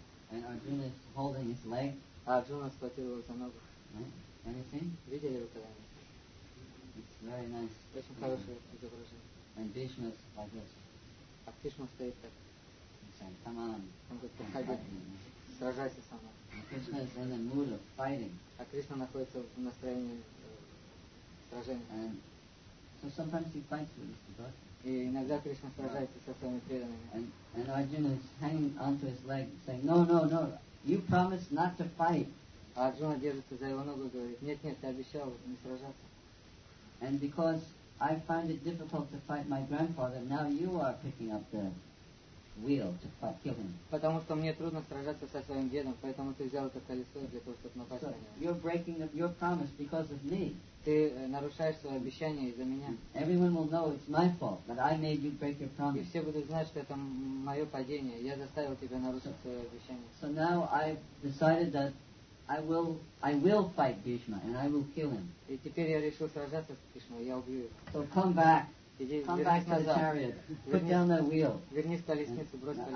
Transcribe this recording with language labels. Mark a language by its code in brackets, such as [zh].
[en] And Arjuna is holding his leg. [ru] А Арджуна схватил его за ногу. [en] Anything? [ru] Видели его когда-нибудь? [en] It's very nice. [ru] Очень хорошее изображение. [en] And Bhishma is like this. [ru] А Кришна стоит так. [en] He's saying, come on. [ru] Он говорит, приходи, сражайся со мной. [en] And Krishna is in the mood of fighting. [ru] А Кришна находится в настроении сражения. [en] And So sometimes he fights with his devotees. [ru] Иногда Кришна сражается со своими преданными. [en] And Arjuna is hanging onto his leg, saying, "No, no, no! You promised not to fight." [ru] А Арджуна держится за его ногу и говорит, "Нет, нет, ты обещал не сражаться." [en] And because I find it difficult to fight my grandfather, now you are picking up the wheel to fight, kill him. [ru] Потому что мне трудно сражаться со своим дедом, поэтому ты взял это колесо для того, чтобы напасть на него. [en] You're breaking your promise because of me. [ru] Ты нарушаешь свое обещание из-за меня. [en] Everyone will know it's my fault that I made you break your promise. [ru] И все будут знать, что это мое падение. Я заставил тебя нарушить свое обещание. [en] So now I've decided that I will fight Bhishma and I will kill him. [ru] И теперь я решил сражаться с Кришной, я убью его. [en] So come back. Come back to the chariot. Put down that wheel. [ru] Вернись в колесницу, брось колесо.